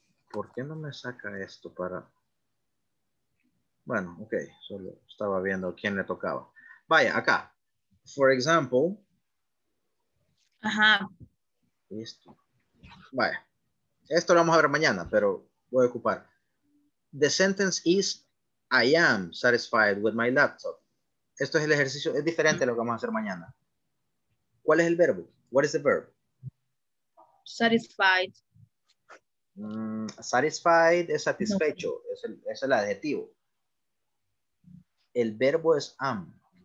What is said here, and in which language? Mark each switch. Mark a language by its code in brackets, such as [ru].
[es] ¿Por qué no me saca esto para...? Bueno, ok, solo estaba viendo quién le tocaba. Vaya, acá. [en] For example. [es] Ajá. Esto. Vaya. Esto lo vamos a ver mañana, pero voy a ocupar. [en] The sentence is, I am satisfied with my laptop. [es] Esto es el ejercicio, es diferente a lo que vamos a hacer mañana. ¿Cuál es el verbo? [en] What is the verb? Satisfied. [es] Satisfied es satisfecho, no. es el adjetivo. El verbo es am.